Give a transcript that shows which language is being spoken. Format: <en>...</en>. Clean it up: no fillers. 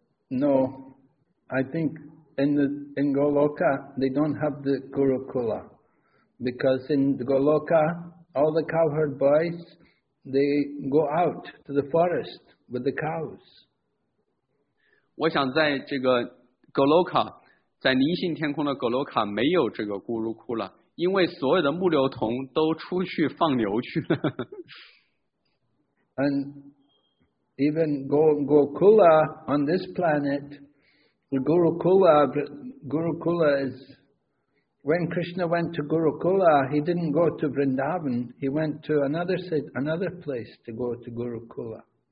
<en>No, I think in Goloka, they don't have the Gurukula. Because in Goloka, all the cowherd boys, they go out to the forest with the cows.</en> <zh>我想在这个 Goloka,在灵性天空的格罗卡没有这个咕噜窟了，因为所有的牧牛童都出去放牛去了。</zh> <en>And even Gokula on this planet, the Gurukula is when Krishna went to Gurukula, he didn't go to Vrindavan, he went to another place to go to Gurukula.</en>